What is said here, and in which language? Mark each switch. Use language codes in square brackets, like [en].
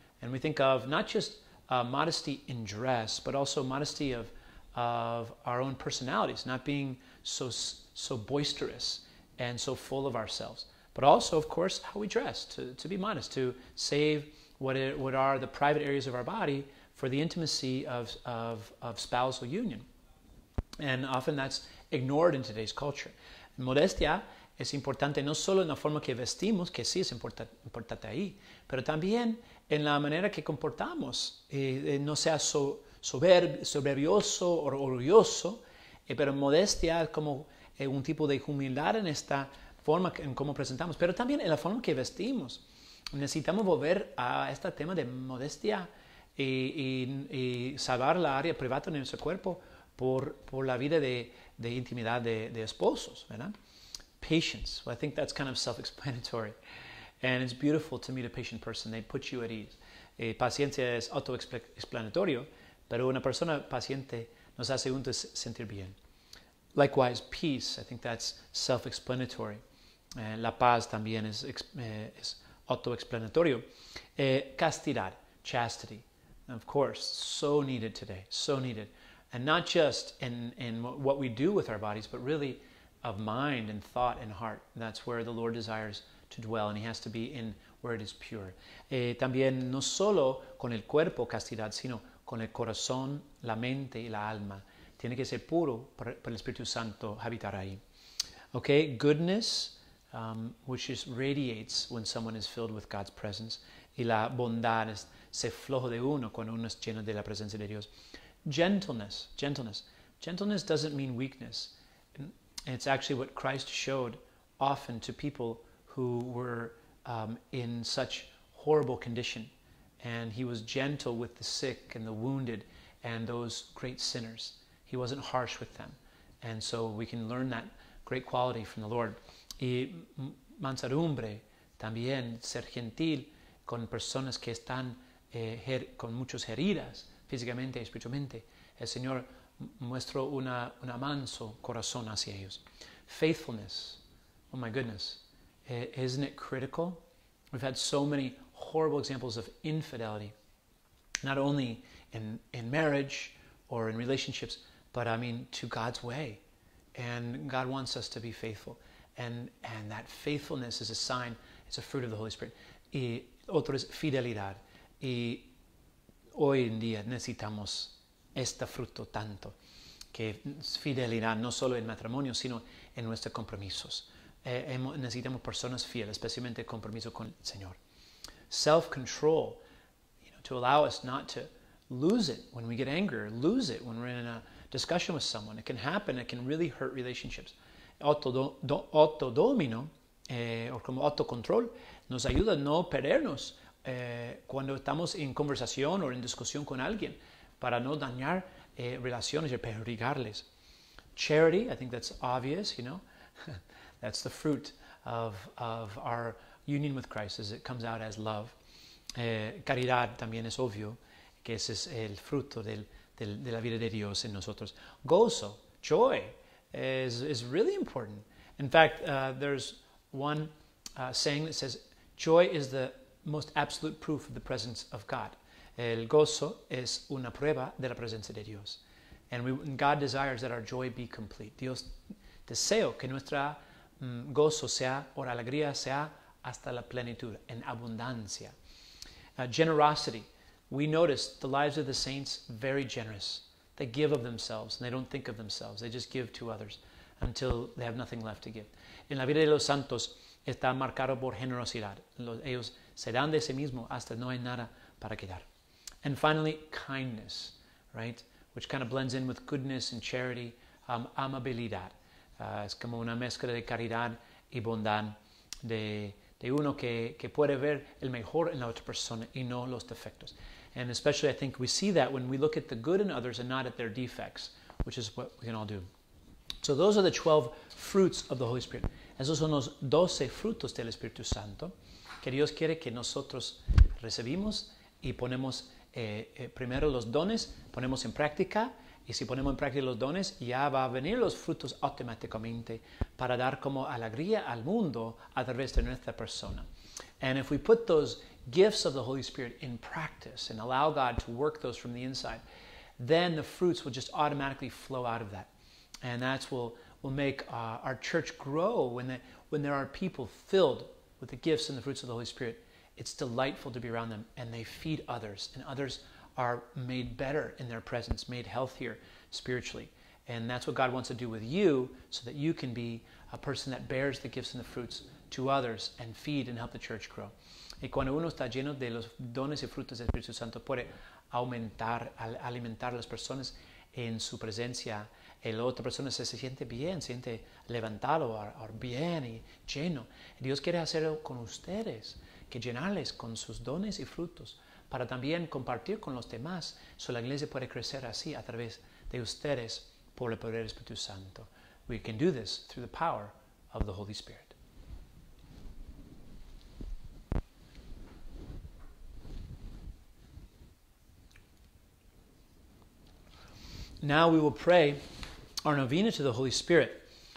[en] And we think of not just modesty in dress, but also modesty of our own personalities, not being so boisterous and so full of ourselves. But also, of course, how we dress, to be modest, to save what are the private areas of our body for the intimacy of spousal union. And often that's ignored in today's culture. [es] Modestia es importante no solo en la forma que vestimos, que sí es importante ahí, pero también en la manera que comportamos, no sea soberbioso o orgulloso, pero modestia es como un tipo de humildad en esta forma en cómo presentamos, pero también en la forma que vestimos. Necesitamos volver a este tema de modestia y salvar la área privada de nuestro cuerpo por la vida de intimidad de esposos, ¿verdad? [en] Patience. Well, I think that's kind of self-explanatory. And it's beautiful to meet a patient person. They put you at ease. [es] Paciencia es auto-explanatorio, pero una persona paciente nos hace uno sentir bien. [en] Likewise, peace. I think that's self-explanatory. [es] La paz también es auto-explanatorio. [en] Castidad, chastity. Of course, so needed today, so needed. And not just in what we do with our bodies, but really of mind and thought and heart. That's where the Lord desires to dwell, and he has to be in where it is pure. [es] También no solo con el cuerpo, castidad, sino con el corazón, la mente y la alma. Tiene que ser puro para el Espíritu Santo habitar ahí. [en] Okay, goodness, which just radiates when someone is filled with God's presence. [es] Y la bondad es ese flojo de uno cuando uno es lleno de la presencia de Dios. [en] Gentleness. Gentleness doesn't mean weakness. It's actually what Christ showed often to people who were in such horrible condition. And he was gentle with the sick and the wounded and those great sinners. He wasn't harsh with them. And so we can learn that great quality from the Lord. [es] Y mansedumbre, también ser gentil con personas que están con muchas heridas, físicamente y espiritualmente. El Señor muestra un manso corazón hacia ellos. Faithfulness, [en] Oh my goodness, isn't it critical? We've had so many horrible examples of infidelity, not only in marriage or in relationships, but I mean to God's way. And God wants us to be faithful. And that faithfulness is a sign, it's a fruit of the Holy Spirit. [es] Y otro es fidelidad. Y hoy en día necesitamos este fruto tanto, que es fidelidad no solo en matrimonio, sino en nuestros compromisos. Necesitamos personas fieles, especialmente compromiso con el Señor. [en] Self-control, you know, to allow us not to lose it when we get angry, or lose it when we're in a discussion with someone. It can happen, it can really hurt relationships. [es] Autodomino, o como autocontrol, nos ayuda a no perdernos cuando estamos en conversación o en discusión con alguien, para no dañar relaciones y perjudicarles. [en] Charity, I think that's obvious, you know. That's the fruit of our union with Christ, as it comes out as love. [es] Caridad también es obvio, que ese es el fruto de la vida de Dios en nosotros. [en] Gozo, joy, is really important. In fact, there's one saying that says, joy is the most absolute proof of the presence of God. [es] El gozo es una prueba de la presencia de Dios. [en] And God desires that our joy be complete. [es] Dios deseo que nuestra gozo sea, o la alegría sea, hasta la plenitud, en abundancia. [en] Generosity. We notice the lives of the saints, very generous. They give of themselves, and they don't think of themselves. They just give to others until they have nothing left to give. [es] En la vida de los santos está marcado por generosidad. Ellos se dan de sí mismo hasta no hay nada para quedar. [en] And finally, kindness, right? Which kind of blends in with goodness and charity, amabilidad. [es] Es como una mezcla de caridad y bondad de uno que puede ver el mejor en la otra persona y no los defectos. [en] And especially I think we see that when we look at the good in others and not at their defects, which is what we can all do. So those are the 12 fruits of the Holy Spirit. [es] Esos son los 12 frutos del Espíritu Santo que Dios quiere que nosotros recibimos y ponemos primero los dones, ponemos en práctica. Y si ponemos en práctica los dones, ya va a venir los frutos automáticamente para dar como alegría al mundo a través de nuestra persona. [en] And if we put those gifts of the Holy Spirit in practice and allow God to work those from the inside, then the fruits will just automatically flow out of that. And that will make our church grow. When there are people filled with the gifts and the fruits of the Holy Spirit, it's delightful to be around them, and they feed others, and others are made better in their presence, made healthier spiritually. And that's what God wants to do with you, so that you can be a person that bears the gifts and the fruits to others and feed and help the church grow. [es] Y cuando uno está lleno de los dones y frutos del Espíritu Santo, puede aumentar, alimentar a las personas en su presencia. La otra persona se siente bien, se siente levantado, or bien y lleno. Dios quiere hacerlo con ustedes, que llenarles con sus dones y frutos, para también compartir con los demás, so la iglesia puede crecer así a través de ustedes por el poder del Espíritu Santo. [en] We can do this through the power of the Holy Spirit. Now we will pray our novena to the Holy Spirit.